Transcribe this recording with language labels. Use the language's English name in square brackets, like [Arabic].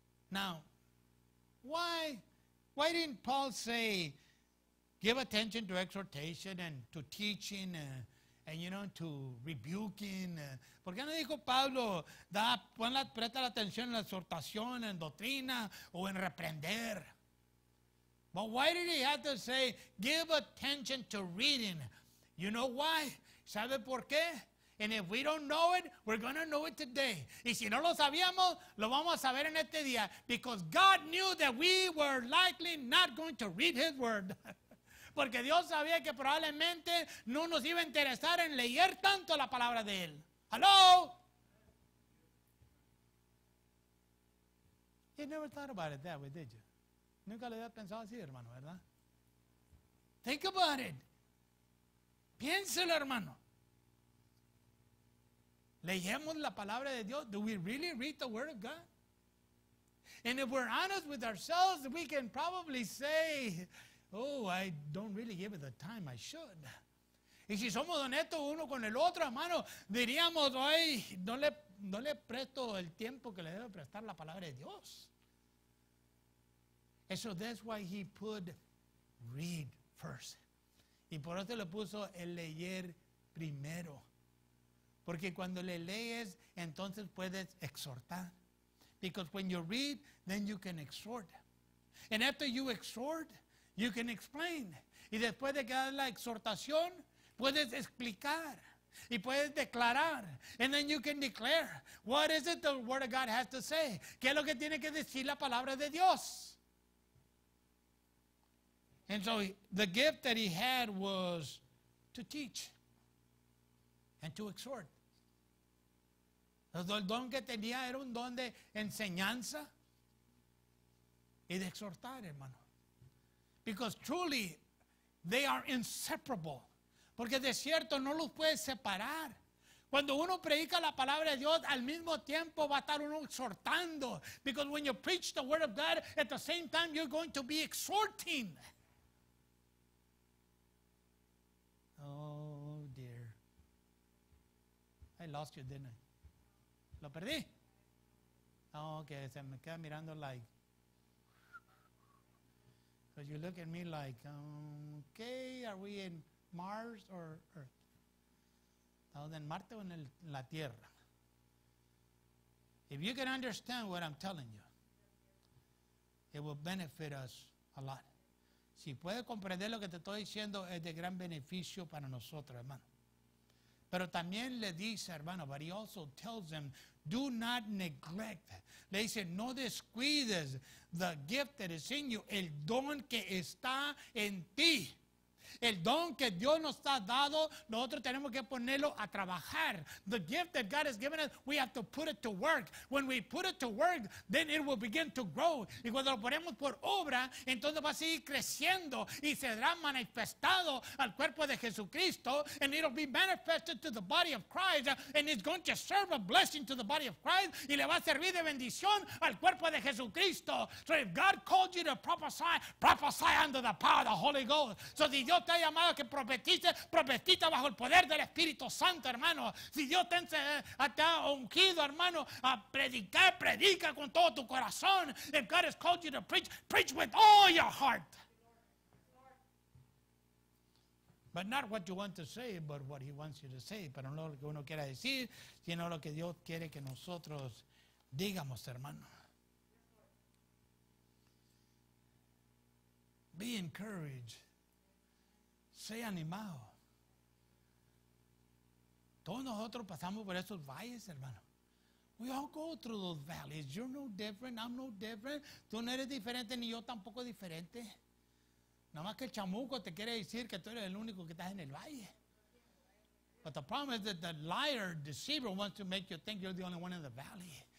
[English] Now, why didn't Paul say, give attention to exhortation and to teaching and you know, to rebuking? [Spanish] ¿Por qué no dijo Pablo, presta la atención en la exhortación, en doctrina, o en reprender? [English] But why did he have to say, give attention to reading? You know why? [Spanish] ¿Sabe por qué? [English] And if we don't know it, we're going to know it today. [Spanish] Y si no lo sabíamos, lo vamos a saber en este día. [English] Because God knew that we were likely not going to read his word. [Spanish] Porque Dios sabía que probablemente no nos iba a interesar en leer tanto la palabra de él. [English] Hello? You never thought about it that way, did you? [Spanish] Nunca lo había pensado así, hermano, ¿verdad? [English] Think about it. [Spanish] Piénselo, hermano. ¿Leyemos la palabra de Dios? [English] Do we really read the word of God? And if we're honest with ourselves, we can probably say, oh, I don't really give it the time I should. [Spanish] Y si somos honestos uno con el otro, hermano, diríamos, ay, no le presto el tiempo que le debe prestar la palabra de Dios. [English] And so that's why he put read first. [Spanish] Y por eso le puso el leer primero. Porque cuando le lees, entonces puedes exhortar. [English] Because when you read, then you can exhort. And after you exhort, you can explain. [Spanish] Y después de que das la exhortación, puedes explicar. Y puedes declarar. [English] And then you can declare. What is it the word of God has to say? [Spanish] ¿Qué es lo que tiene que decir la palabra de Dios? [English] And so the gift that he had was to teach and to exhort. [Spanish] El don que tenía era un don de enseñanza y de exhortar, hermano. [English] Because truly, they are inseparable. [Spanish] Porque de cierto no los puedes separar. Cuando uno predica la palabra de Dios, al mismo tiempo va a estar uno exhortando. [English] Because when you preach the word of God, at the same time you're going to be exhorting. Oh dear. I lost you, didn't I? [Spanish] ¿Lo perdí? Oh, okay, se me queda mirando like. [English] Because you look at me like, okay, are we in Mars or Earth? [Spanish] ¿Estamos en Marte o en la Tierra? [English] If you can understand what I'm telling you, it will benefit us a lot. [Spanish] Si puedes comprender lo que te estoy diciendo, es de gran beneficio para nosotros, hermano. Pero también le dice, hermano, [English] but he also tells them, do not neglect. [Spanish] Le dice, no descuides [English] the gift that is in you, [Spanish] el don que está en ti. El don que Dios nos ha dado, nosotros tenemos que ponerlo a trabajar. [English] The gift that God has given us, we have to put it to work. When we put it to work, then it will begin to grow. [Spanish] Y cuando lo ponemos por obra, entonces va a seguir creciendo y será manifestado al cuerpo de Jesucristo. [English] And it will be manifested to the body of Christ. And it's going to serve a blessing to the body of Christ. [Spanish] Y le va a servir de bendición al cuerpo de Jesucristo. [English] So if God called you to prophesy, prophesy under the power of the Holy Ghost. [Spanish] So the Dios te ha llamado que profetice, profetiza bajo el poder del Espíritu Santo, hermano. Si Dios te ha ungido, hermano, a predicar, predica con todo tu corazón. [English] If God has called you to preach, preach with all your heart. But not what you want to say, but what he wants you to say. [Spanish] Pero no lo que uno quiera decir, sino lo que Dios quiere que nosotros digamos, hermano. [English] Be encouraged. [Spanish] Sé animado. Todos nosotros pasamos por esos valles, hermano. [English] We all go through those valleys. You're no different, I'm no different. [Spanish] Tú no eres diferente, ni yo tampoco diferente. Nada más que el chamuco te quiere decir que tú eres el único que estás en el valle. [English] But the problem is that the liar, deceiver, wants to make you think you're the only one in the valley.